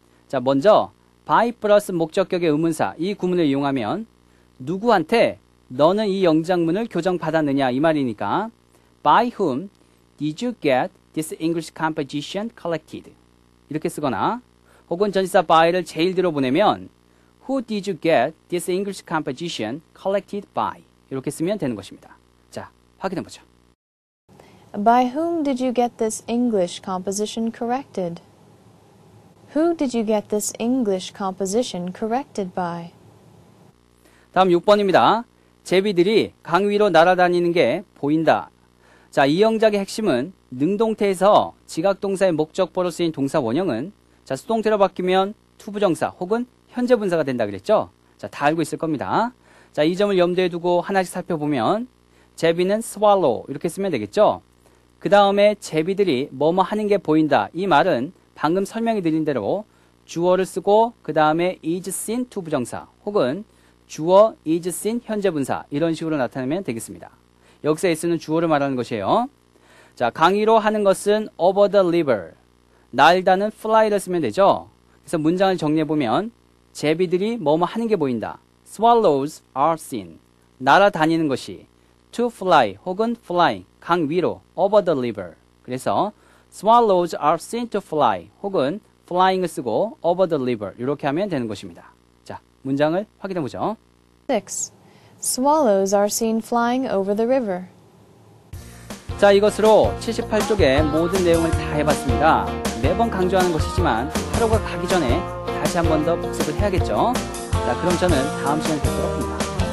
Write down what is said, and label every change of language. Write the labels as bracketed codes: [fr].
[ko] 자, 먼저 by 플러스 목적격의 의문사 이 구문을 이용하면 누구한테 너는 이 영장문을 교정받았느냐 이 말이니까 [en] by whom did you get this English composition collected [ko] 이렇게 쓰거나 혹은 전치사 by를 제일 뒤로 보내면 [en] who did you get this English composition collected by [ko] 이렇게 쓰면 되는 것입니다. 자, 확인해 보죠. By whom did you get this English composition corrected? Who did you get this English composition corrected by? 다음 6번입니다. 제비들이 강 위로 날아다니는 게 보인다. 자, 이 영작의 핵심은 능동태에서 지각동사의 목적보로 쓰인 동사 원형은 자, 수동태로 바뀌면 투부정사 혹은 현재분사가 된다 그랬죠? 자, 다 알고 있을 겁니다. 자, 이 점을 염두에 두고 하나씩 살펴보면 제비는 swallow 이렇게 쓰면 되겠죠? 그 다음에 제비들이 뭐뭐 하는 게 보인다 이 말은 방금 설명해 드린 대로 주어를 쓰고 그 다음에 is seen to 부정사 혹은 주어 is seen 현재분사 이런 식으로 나타내면 되겠습니다. 여기서 is는 주어를 말하는 것이에요. 자, 강의로 하는 것은 over the river 날다는 fly를 쓰면 되죠. 그래서 문장을 정리해 보면 제비들이 뭐뭐 하는 게 보인다. [en] Swallows are seen [ko] 날아다니는 것이 [en] to fly 혹은 fly [ko] 강 위로 [en] over the river 그래서 Swallows are seen to fly 혹은 flying을 쓰고 over the river [ko] 이렇게 하면 되는 것입니다. 자, 문장을 확인해 보죠. 6. [en] Swallows are seen flying over the river. [ko] 자, 이것으로 78쪽의 모든 내용을 다 해봤습니다. 매번 강조하는 것이지만 하루가 가기 전에 다시 한 번 더 복습을 해야겠죠. 자, 그럼 저는 다음 시간에 뵙도록 하겠습니다.